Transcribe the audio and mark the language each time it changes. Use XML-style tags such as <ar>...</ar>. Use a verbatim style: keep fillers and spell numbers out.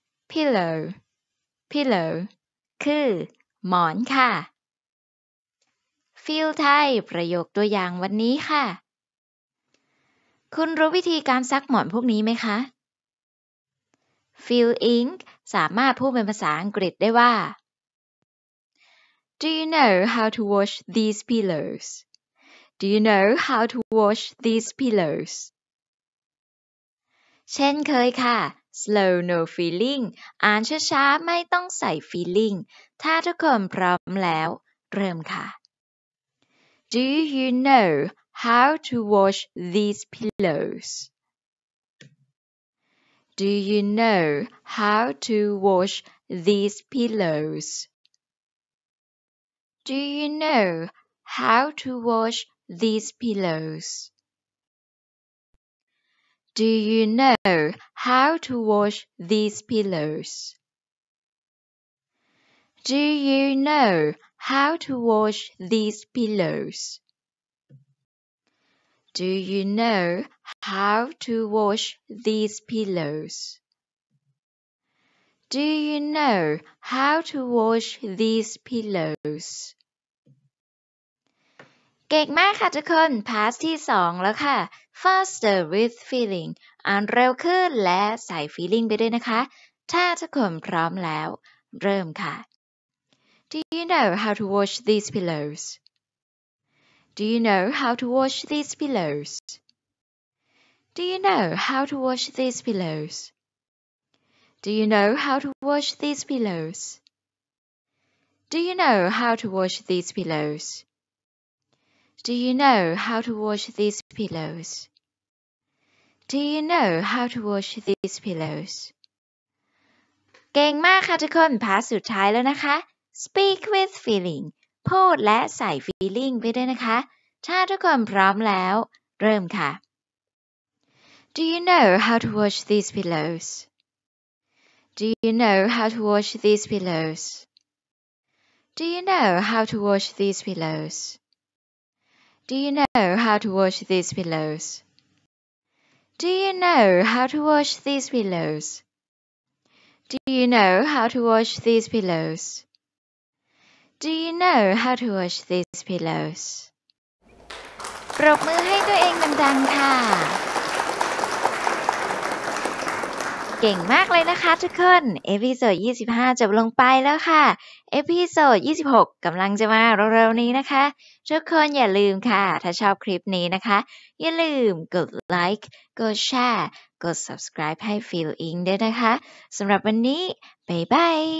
<th>pillow pillow คือหมอนค่ะ Feel ไทยประโยคตัวอย่างวันนี้ค่ะ คุณรู้วิธีการซักหมอนพวกนี้ไหมคะ Feel อิงค์ สามารถพูดเป็นภาษาอังกฤษได้ว่า</th> <en>Do you know how to wash these pillows? Do you know how to wash these pillows?</en> <th>เช่นเคยค่ะ</th> <en>Slow no feeling</en> <th>อ่านช้าๆไม่ต้องใส่ feeling ถ้าทุกคนพร้อมแล้วเริ่มค่ะ</th> <en>Do you know how to wash these pillows? Do you know how to wash these pillows? Do you know how to wash these pillows? Do you know how to wash these pillows? Do you know how to wash these pillows? Do you know how to wash these pillows? Do you know how to wash these pillows?</en> <th>เก่งมากค่ะทุกคน พาสที่ สอง แล้วค่ะ</th> <en>Faster with feeling</en> <th>อ่านเร็วขึ้นและใส่ feeling ไปด้วยนะคะ ถ้าทุกคนพร้อมแล้ว เริ่มค่ะ</th> <en>Do you know how to wash these pillows? Do you know how to wash these pillows? Do you know how to wash these pillows? Do you know how to wash these pillows? Do you know how to wash these pillows? Do you know how to wash these pillows? Do you know how to wash these pillows?</en> <th>เก่งมากค่ะทุกคน พาร์ทสุดท้ายแล้วนะคะ</th> <en>Speak with feeling</en> <th>พูดและใส่ feeling ไปด้วยนะคะ ถ้าทุกคนพร้อมแล้ว เริ่มค่ะ</th> <en>Do you know how to wash these pillows? Do you know how to wash these pillows? Do you know how to wash these pillows? Do you know how to wash these pillows? Do you know how to wash these pillows? Do you know how to wash these pillows? Do you know how to wash these pillows?</en> <th>ปรบมือให้ตัวเองดังๆค่ะ เก่งมากเลยนะคะทุกคน เอพิโซดยี่สิบห้า จบลงไปแล้วค่ะ เอพิโซดยี่สิบหก กำลังจะมาเร็วๆนี้นะคะ ทุกคนอย่าลืมค่ะ ถ้าชอบคลิปนี้นะคะ อย่าลืมกดไลค์ กดแชร์ กด subscribe ให้ Feel อิงค์ ด้วยนะคะ สำหรับวันนี้ บ๊ายบาย</th>